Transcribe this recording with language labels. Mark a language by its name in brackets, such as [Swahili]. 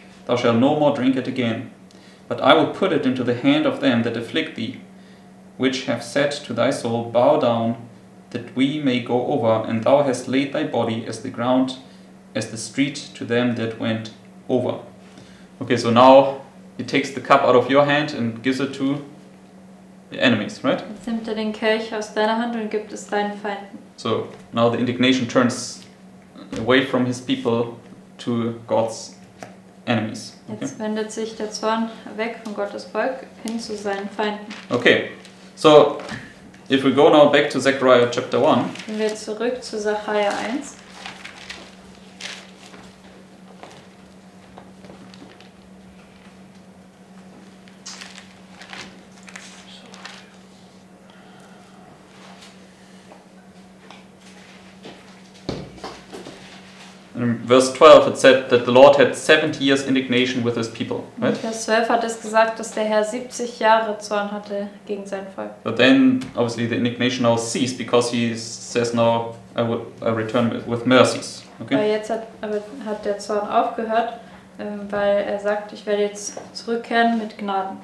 [English] Thou shalt no more drink it again. But I will put it into the hand of them that afflict thee, which have said to thy soul, Bow down, that we may go over, and thou hast laid thy body as the ground, as the street to them that went over. Okay, so now he takes the cup out of your hand and gives it to the enemies, right? [German] Jetzt nimmt er den Kelch aus deiner Hand und gibt es deinen Feinden. [English] So now the indignation turns away from his people to God's enemies. Okay? [German] Jetzt wendet sich der Zorn weg von Gottes Volk hin zu seinen Feinden. [English] Okay, so if we go now back to Zechariah chapter 1. [German] Gehen wir zurück zu Zechariah 1. [English] In verse 12 it said that the Lord had 70 years indignation with his people, right? [German] Vers 12 hat es gesagt, dass der Herr 70 Jahre Zorn hatte gegen sein Volk. [English] But then obviously the indignation now ceased because he says now I return with mercies. Okay? [German] Aber jetzt hat der Zorn aufgehört, weil er sagt, ich werde jetzt zurückkehren mit Gnaden.